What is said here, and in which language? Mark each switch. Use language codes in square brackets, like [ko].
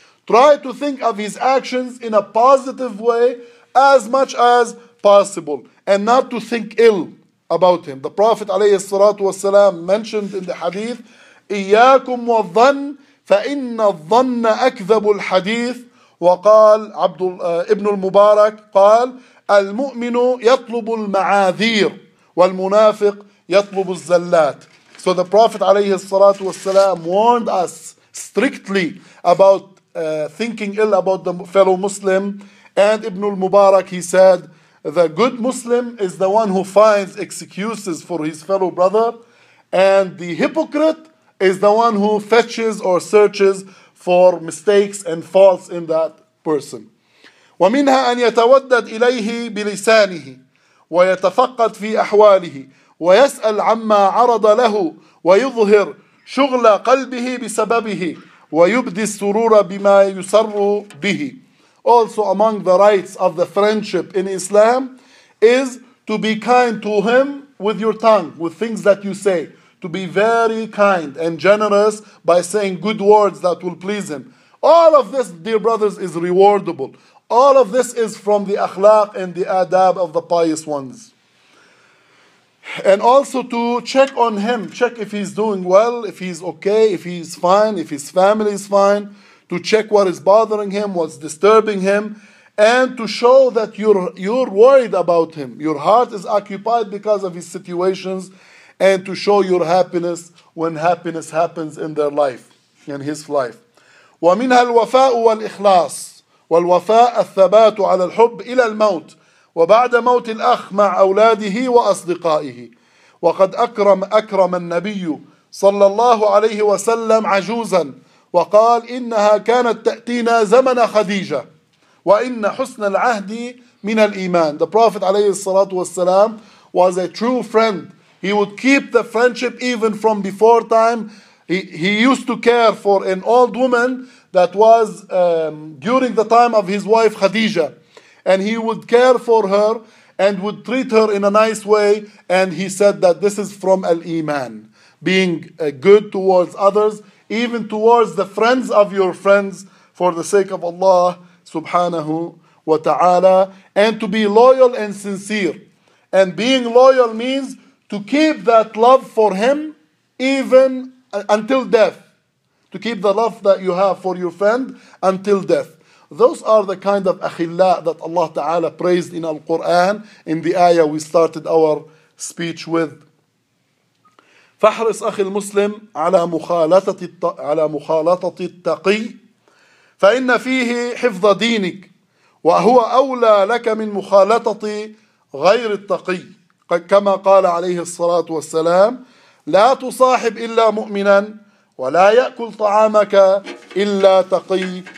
[en] Try to think of his actions in a positive way as much as possible. And not to think ill about him. The Prophet ﷺ mentioned in the hadith, [ar] إِيَّاكُمْ وَالظَّنِّ فَإِنَّ الظَّنَّ أَكْذَبُ الْحَدِيثِ. وقال ابن المبارك قال المؤمن يطلب المعاذير والمنافق يطلب الزلات. [en] So the Prophet [ar] عليه الصلاة والسلام [en] warned us strictly about thinking ill about the fellow Muslim. And ابن المبارك, he said, the good Muslim is the one who finds excuses for his fellow brother, and the hypocrite is the one who fetches or searches for mistakes and faults in that person. [ar] ومنها أن يتودد إليه بلسانه ويتفقد في أحواله ويسأل عما عرض له ويظهر شغل قلبه بسببه ويبدي السرور بما يسر به. [en] Also among the rights of the friendship in Islam is to be kind to him with your tongue, with things that you say. To be very kind and generous by saying good words that will please him. All of this, dear brothers, is rewardable. All of this is from the akhlaq and the adab of the pious ones. And also to check on him, check if he's doing well, if he's okay, if he's fine, if his family is fine. To check what is bothering him, what's disturbing him. And to show that you're worried about him. Your heart is occupied because of his situations. And to show your happiness when happiness happens in their life, in his life. [ar] ومنها الوفاء والإخلاص والوفاء الثبات على الحب إلى الموت وبعد موت الأخ مع أولاده وأصدقائه. وقد أكرم النبي صلى الله عليه وسلم عجوزا وقال إنها كانت تأتينا زمن خديجة وإن حسن العهد من الإيمان. [en] The Prophet [ar] عليه الصلاة والسلام [en] was a true friend. He would keep the friendship even from before time. He used to care for an old woman that was during the time of his wife Khadija. And he would care for her and would treat her in a nice way. And he said that this is from al-Iman. Being good towards others, even towards the friends of your friends for the sake of Allah subhanahu wa ta'ala. And to be loyal and sincere. And being loyal means to keep that love for him even until death. To keep the love that you have for your friend until death. Those are the kind of akhilla that Allah Ta'ala praised in Al-Quran, in the ayah we started our speech with. [ar] فَحْرِصْ أَخِي الْمُسْلِمِ عَلَى مُخَالَطَةِ التَّقِيِّ فَإِنَّ فِيهِ حِفْظَ دِينِكِ وَهُوَ أَوْلَى لَكَ مِنْ مُخَالَطَةِ غَيْرِ التَّقِيِّ كما قال عليه الصلاة والسلام لا تصاحب إلا مؤمنا ولا يأكل طعامك إلا تقي.